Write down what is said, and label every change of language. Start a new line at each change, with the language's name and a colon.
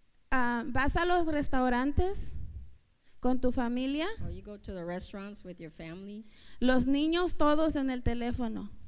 Spanish: ¿Vas a los restaurantes con tu familia?
English: Or you go to the restaurants with your family?
Spanish: Los niños todos en el teléfono.